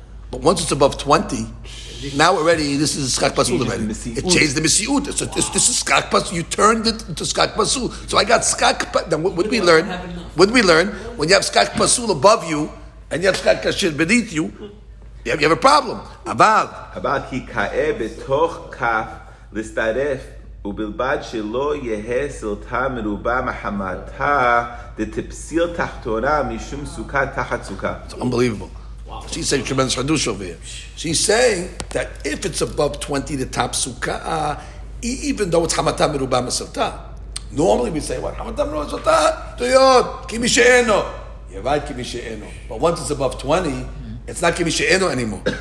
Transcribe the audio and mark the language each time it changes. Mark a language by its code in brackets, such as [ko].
[en] But once it's above 20, now already this is schach pasul already. It changed the misiut. So this is schach pasul. You turned it into schach pasul. So I got schach pasul. Then what did we learn? When you have schach pasul above you and you have schach kasher beneath you, you have a problem. [arc] Aval. Aval ki ka'e betoch kaf listaref. ובלבד שלא יהיה סלטה מרובה מחמתה דתפסיל תחתונה משום סוכה תחת סוכה. [en] It's unbelievable. Wow. She's saying tremendous chadush over here. She's saying that if it's above 20, the top sukkah, even though it's hamata merubah masalta, normally we say, what? Hamata merubah masalta? Toyot, kimi she'eno. You're right, kimi she'eno. But once it's above 20, it's not kimi she'eno anymore.